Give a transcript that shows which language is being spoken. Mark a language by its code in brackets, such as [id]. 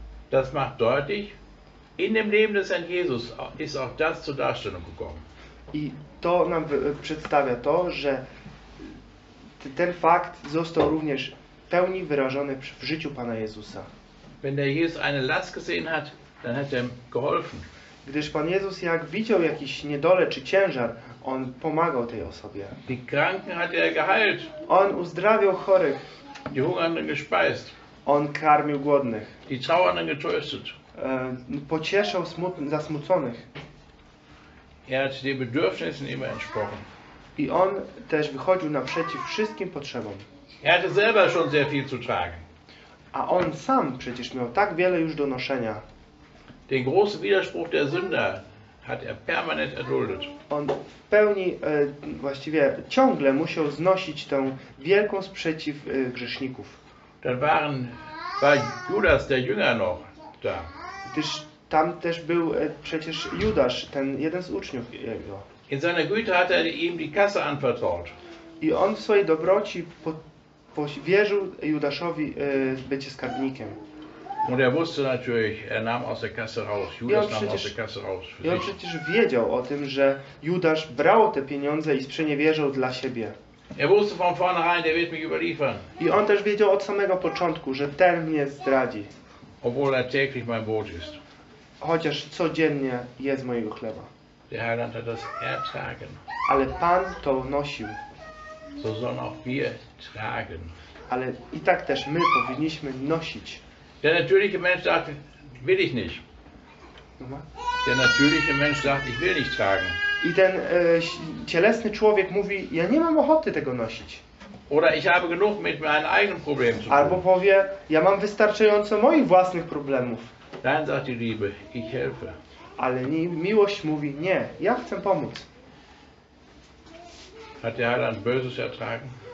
[de] Das macht deutlich, in dem Leben des Herrn Jesus ist auch das zur Darstellung gekommen. [pl] I to nam przedstawia to, że ten fakt został również pełni wyrażony w życiu Pana Jezusa. [de] Wenn der Jesus eine Last gesehen hat, dann hat er geholfen. [pl] Gdyż Pan Jezus jak widział jakiś niedolę czy ciężar, on pomagał tej osobie. [de] Die Kranken hat er geheilt. [pl] On uzdrawiał chorych. [de] Die Hungernden gespeist. [pl] On karmił głodnych. [de] Die Trauernden getröstet. [pl] Pocieszał zasmuconych. [de] Er hat den Bedürfnissen immer entsprochen. [pl] I on też wychodził naprzeciw wszystkim potrzebom. [de] Er hatte selber schon sehr viel zu tragen. [pl] A on sam przecież miał tak wiele już do noszenia. [de] Den großen Widerspruch der Sünder hat er permanent erduldet. [pl] On w pełni, właściwie ciągle musiał znosić tę wielką sprzeciw grzeszników. [de] Dann waren, war Judas, der Jünger noch, da. [pl] Gdyż tam też był przecież Judasz, ten jeden z uczniów jego. [de] In seiner Güte hat er ihm die Kasse anvertraut. [pl] I on w swojej dobroci powierzył Judaszowi bycie skarbnikiem. [de] Und er wusste natürlich, er nahm aus der Kasse raus. Judas nahm aus der Kasse raus. [pl] I on przecież wiedział o tym, że Judasz brał te pieniądze i sprzeniewierzył dla siebie. [de] Er wusste von vornherein, der wird mich überliefern. [pl] I on też wiedział od samego początku, że ten mnie zdradzi. [de] Obwohl er täglich mein Brot ist. [pl] Chociaż codziennie jest mojego chleba. [de] Der Heiland hat das ertragen. [pl] Ale Pan to nosił. [de] So sollen auch wir tragen. [pl] Ale i tak też my powinniśmy nosić. [de] Der natürliche Mensch sagt, will ich nicht. Der natürliche Mensch sagt, ich will nicht tragen. [pl] I ten cielesny człowiek mówi, ja nie mam ochoty tego nosić. [de] Oder ich habe genug mit meinen eigenen Problemen zu tun. [pl] Albo powie, ja mam wystarczająco moich własnych problemów. [de] Nein, sagt die Liebe, ich helfe. [pl] Ale nie, miłość mówi, nie, ja chcę pomóc. [de] Hat der Heiland Böses ertragen?